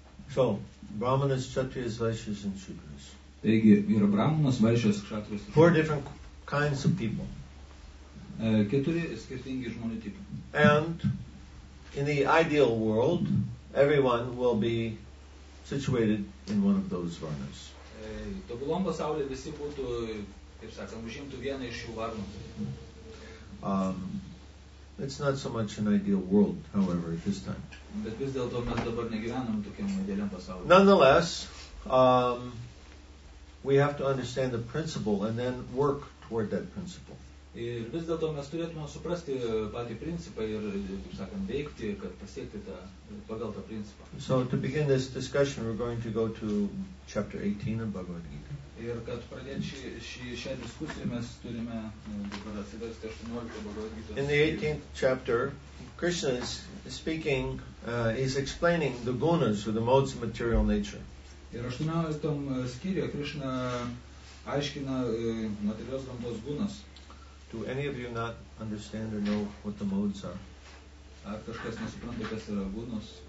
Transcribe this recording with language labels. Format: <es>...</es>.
<en>So, brahmanas, kshatriyas, vaishyas and shudras.</en> <lt>Taigi, yra brahmanas, vaishyas, kshatriyas.</lt> <en>Four different kinds of people.</en> <lt>Keturi skirtingi žmonių tipai.</lt> <en>And in the ideal world, everyone will be situated in one of those varnas.</en> <lt>Tobulom pasaulyje visi būtų, kaip sakant, užimtų vieną iš jų varnų.</lt> <en>It's not so much an ideal world, however, at this time.</en> <lt>Bet vis dėlto mes dabar negyvenam tokiam idealiam pasaulyje.</lt> <en>Nonetheless, we have to understand the principle and then work toward that principle.</en> <lt>Ir vis dėlto mes turėtume suprasti patį principą ir, kaip sakant, veikti, kad pasiekti tą, pagal tą principą.</lt> <en>So to begin this discussion, we're going to go to chapter 18 of Bhagavad Gita.</en> <lt>Ir kad pradėti šią diskusiją, mes turime dabar atsiversti 18 Bhagavad Gita.</lt> <en>In the 18th chapter, Krishna is speaking, is explaining the gunas or the modes of material nature.</en> <lt>Ir 18 skyriuje Krishna aiškina materialios gamtos gunas.</lt> <en>Do any of you not understand or know what the modes are?</en> <lt>Ar kažkas nesupranta, kas yra gunos?</lt>